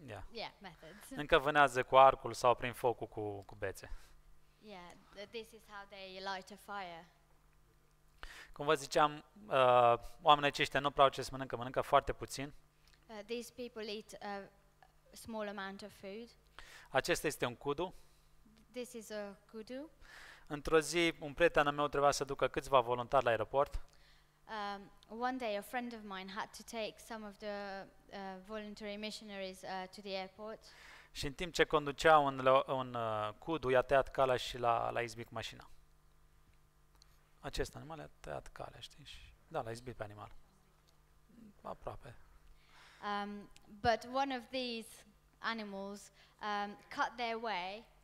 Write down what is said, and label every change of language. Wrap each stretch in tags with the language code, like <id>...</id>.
<en>Yeah, methods.</en> <ro>Încă vânează cu arcul sau prin focul cu bețe.</ro> <en>Yeah, this is how they light a fire.</en> <ro>Cum vă ziceam, oamenii aceștia nu prau ce să mănâncă, mănâncă foarte puțin.</ro> <en>These people eat a small amount of food.</en> <ro>Acesta este un kudu.</ro> <en>This is a kudu.</en> <ro>Într-o zi, un prieten al meu trebuia să ducă câțiva voluntari la aeroport.</ro> <en>One day a friend of mine had to take some of the voluntary missionaries to the airport.</en> <ro>Și în timp ce conducea un kudu, i-a tăiat calea și l-a izbit mașina. Acest animal i-a tăiat calea, știi? Și, da, l-a izbit pe animal. Aproape.</ro> <en>But one of these animals cut their way.</en>